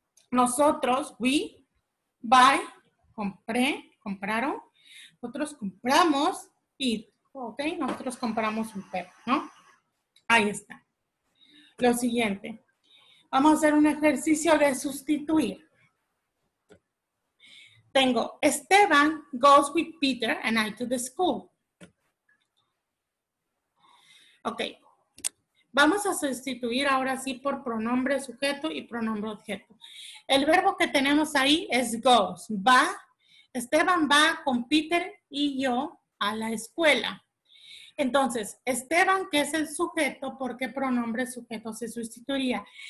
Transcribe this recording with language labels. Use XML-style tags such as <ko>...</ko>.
<es>Nosotros, we, buy, compraron. Nosotros compramos, it, ¿ok? Nosotros compramos un perro, ¿no? Ahí está. Lo siguiente. Vamos a hacer un ejercicio de sustituir. Tengo,</es> <en>Esteban goes with Peter and I to the school. Ok.</en> <es>Vamos a sustituir ahora sí por pronombre sujeto y pronombre objeto. El verbo que tenemos ahí es goes. Va, Esteban va con Peter y yo a la escuela. Entonces, Esteban, que es el sujeto, ¿por qué pronombre sujeto se sustituiría?</es>